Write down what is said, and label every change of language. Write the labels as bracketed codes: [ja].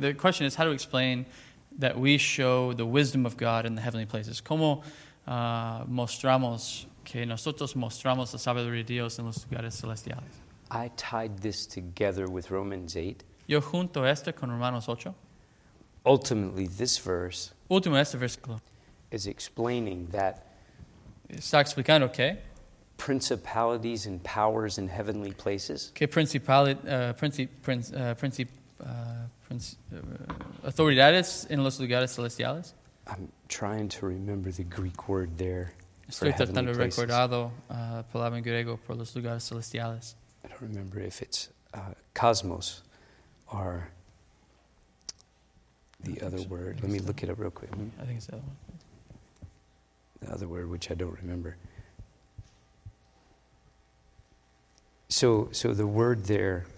[en] The question is, how do we explain that we show the wisdom of God in the heavenly places? [es] ¿Cómo mostramos que nosotros mostramos la sabiduría de Dios en los lugares celestiales? [en] I tied this together with Romans 8. [es] Yo junto esto con Romanos 8. [en] Ultimately, this verse. [es] Último este versículo. [en] Is explaining that. [es] Está explicando que. [en] Principalities and powers in heavenly places. [es] Que autoridades en los lugares celestiales. [en] I'm trying to remember the Greek word there. [es] Estoy tratando de recordar la palabra en griego por los lugares celestiales. [en] I don't remember if it's cosmos or the other word. Let me look it up real quick. I think it's the other one. The other word, which I don't remember. So the word there.